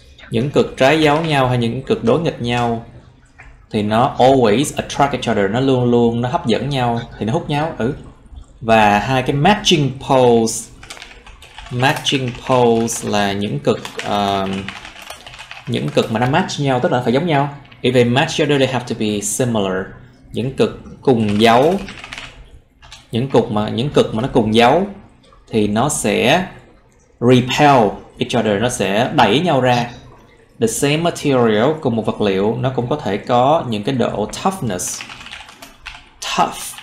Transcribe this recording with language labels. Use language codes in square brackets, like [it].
[vi] Những cực trái giấu nhau hay những cực đối nghịch nhau thì nó [en] always attract each other, [vi] nó luôn luôn nó hấp dẫn nhau thì nó hút nhau. Ừ. Và hai cái matching poles. Matching poles là những cực mà nó match nhau, tức là phải giống nhau. [en] If they match each other they have to be similar. [vi] Những cực cùng giấu. Những cực mà nó cùng giấu thì nó sẽ [en] repel each other, [vi] nó sẽ đẩy nhau ra. [en] The same material, [vi] cùng một vật liệu, nó cũng có thể có những cái độ toughness. Tough.